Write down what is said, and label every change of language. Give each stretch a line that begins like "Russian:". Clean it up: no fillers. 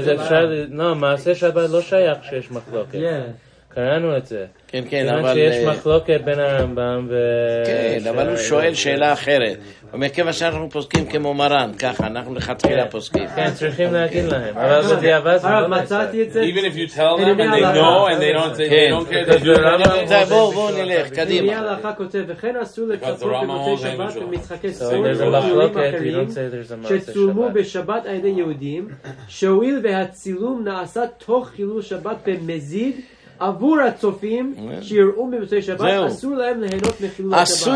Hebrew: 80% זה נשאר. אז אפשר... לא, מעשה שבת לא שייך שיש מחלוקת. קראנו את זה. כן, כן, אבל... כיוון שיש מחלוקת בין הרמב״ם ו... כן, אבל הוא שואל שאלה אחרת. ומכיוון שאנחנו פוסקים כמו מרן, ככה, אנחנו לכתחילה פוסקים. כן, צריכים להגיד להם. אבל בדיעבד... הרב, מצאתי את זה?
English: Even if you tell them and they know and they don't say...
Hebrew: כן, בואו נלך, קדימה. ומיה הלכה כותב, וכן עשו לצפות במוצאי שבת במשחקי סול ומחירים אחרים שצולמו בשבת על ידי יהודים, שהואיל והצילום נעשה תוך חילול שבת במזיד, עבור הצופים שיראו במוצאי שבת, אסור להם ליהנות מחילול השבת.